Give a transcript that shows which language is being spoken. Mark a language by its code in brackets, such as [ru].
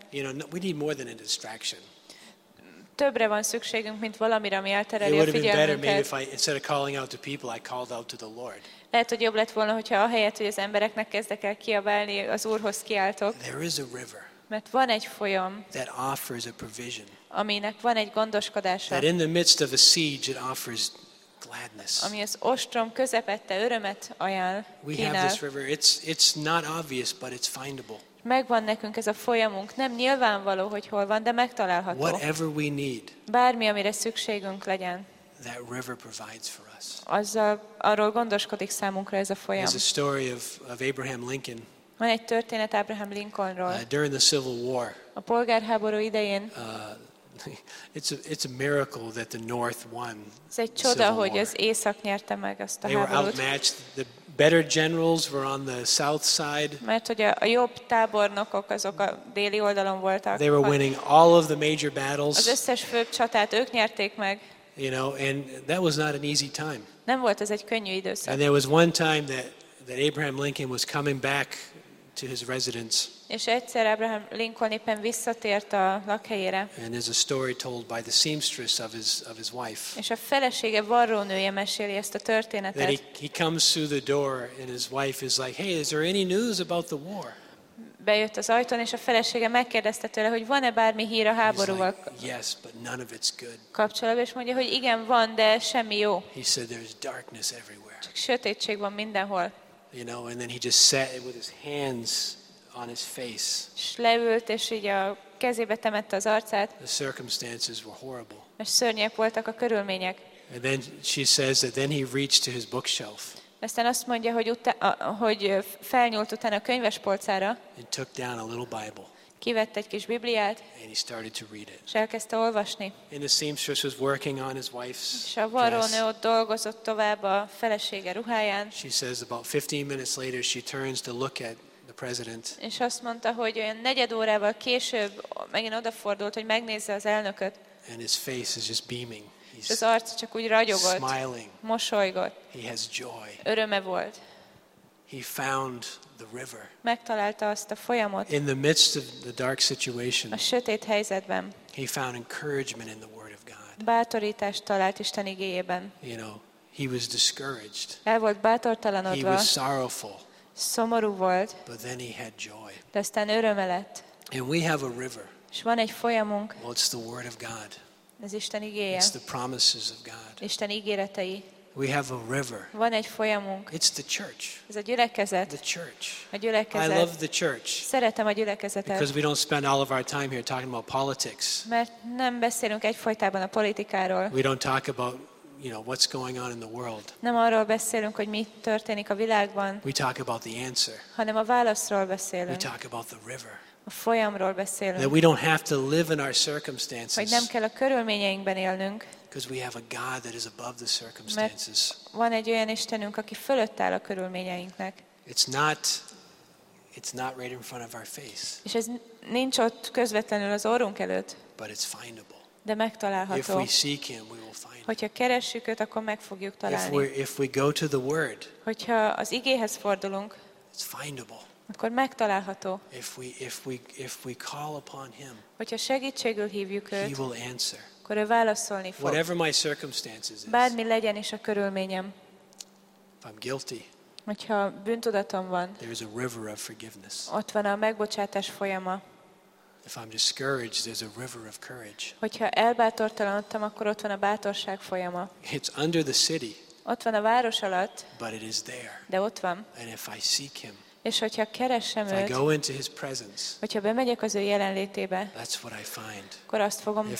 [en] You know, we need more than a distraction. [hu] Többre van szükségünk, mint valamire, ami eltereli a figyelmünket. [en] It would have been better maybe if I, instead of calling out to people, I called out to the Lord. [hu] Lehet, hogy jobb lett volna, hogyha ahelyett, hogy az embereknek kezdek el kiabálni, az Úrhoz kiáltok. [en] There is a river. [hu] Mert van egy folyam. [en] That offers a provision. [hu] Aminek van egy gondoskodása. [en] That in the midst of a siege it offers gladness. [hu] Ami az ostrom közepette örömet ajánl. [en] We have this river. It's not obvious, but it's findable. [hu] Megvan nekünk ez a folyamunk. Nem nyilvánvaló, hogy hol van, de megtalálható. [en] Whatever we need. [hu] Bármi, amire szükségünk legyen. [en] That river provides for us. [hu] Arról gondoskodik számunkra ez a folyam. [en] There's a story of Abraham Lincoln. [hu] Van egy történet Abraham Lincolnról. [en] During the Civil War. [hu] A polgárháború idején. [en] it's a miracle that the north won. [hu] Ez egy csoda, hogy az észak nyerte meg azt a háborút. [en] They were outmatched. The better generals were on the south side. [hu] Mert ugye a jobb tábornokok azok a déli oldalon voltak. [en] They were winning all of the major battles. [hu] Az összes főbb csatát ők nyerték meg. [en] You know, and that was not an easy time. [hu] Nem volt ez egy könnyű időszak. [en] And there was one time that Abraham Lincoln was coming back to his residence. [hu] És egyszer Abraham Lincoln éppen visszatért a lakhelyére. [en] And there's a story told by the seamstress of his wife. [hu] És a felesége varrónője meséli ezt a történetet. [en] That he comes through the door and his wife is like, "Hey, is there any news about the war?" [hu] Bejött az ajtón, és a felesége megkérdezte tőle, hogy van-e bármi hír a háborúval. [en] Like, "Yes, but none of it's good." [hu] Kapcsolatban, és mondja, hogy igen, van, de semmi jó. [en] He said, "There's darkness everywhere." [hu] Csak sötétség van mindenhol. [en] You know, and then he just sat with his hands on his face. [hu] És leült, és így a kezébe temette az arcát. [en] The circumstances were horrible. [hu] És szörnyek voltak a körülmények. [en] And then she says that then he reached to his bookshelf. [hu] Aztán azt mondja, hogy felnyúlt utána a könyvespolcára. [en] And took down a little Bible. [hu] Kivett egy kis Bibliát. [en] And he started to read it. [hu] És elkezdte olvasni. [en] And the seamstress was working on his wife's dress. [hu] És a varrónő ott dolgozott tovább a felesége ruháján. [en] She says about 15 minutes later she turns to look at the president. [hu] És azt mondta, hogy olyan negyed órával később megint odafordult, hogy megnézze az elnököt. [en] And his face is just beaming. [hu] És az arc csak úgy ragyogott. [en] Smiling. [hu] Mosolygott. [en] He has joy. [hu] Öröme volt. [en] He found the river. [hu] Megtalálta azt a folyamot. [en] In the midst of the dark situation. [hu] A sötét helyzetben. [en] He found encouragement in the word of God. [hu] Bátorítást talált Isten igéjében. [en] You know, he was discouraged. [hu] El volt bátortalanodva. [en] He was sorrowful. [hu] Szomorú volt. [en] But then he had joy. [hu] De aztán öröme lett. [en] And we have a river. [hu] És van egy folyamunk. [en] Well, it's the word of God. [hu] Ez Isten igéje. [en] It's the promises of God. [hu] Isten ígéretei. [en] We have a river. [hu] Van egy folyamunk. [en] It's the church. [hu] Ez a gyülekezet. [en] The church. [hu] A gyülekezet. [en] I love the church. [hu] Szeretem a gyülekezetet. [en] Because we don't spend all of our time here talking about politics. [hu] Mert nem beszélünk egyfolytában a politikáról. [en] We don't talk about, you know, what's going on in the world. [hu] Nem arról beszélünk, hogy mi történik a világban. [en] We talk about the answer. [hu] Hanem a válaszról beszélünk. [en] We talk about the river. [hu] A folyamról beszélünk. [en] That we don't have to live in our circumstances. [hu] Hogy nem kell a körülményeinkben élnünk. [en] Because we have a God that is above the circumstances. [hu] Van egy olyan Istenünk, aki fölött áll a körülményeinknek. [en] It's not right in front of our face. [hu] És ez nincs ott közvetlenül az orrunk előtt. [en] But it's findable. [hu] De megtalálható. [en] If we seek him, we will find him. [hu] Hogyha keressük őt, akkor meg fogjuk találni. [en] If we go to the word. [hu] Hogyha az igéhez fordulunk. [en] It's findable. [hu] Akkor megtalálható. [en] If we call upon him. [hu] Hogyha segítségül hívjuk őt. [en] He will answer. [hu] Akkor ő válaszolni fog. [en] Whatever my circumstances is. [hu] Bármi legyen is a körülményem. [en] If I'm guilty. [hu] Hogyha bűntudatom van. [en] There is a river of forgiveness. [hu] Ott van a megbocsátás folyama. [en] If I'm discouraged, there's a river of courage. [hu] Hogyha elbátortalanodtam, akkor ott van a bátorság folyama. [en] It's under the city. [hu] Ott van a város alatt. [en] But it is there. [hu] De ott van. [en] And if I seek him. [hu] És hogyha keresem őt, [en] I go into his presence, [hu] hogyha bemegyek az ő jelenlétébe, [en] that's what I find. [hu] Akkor azt fogom [en] If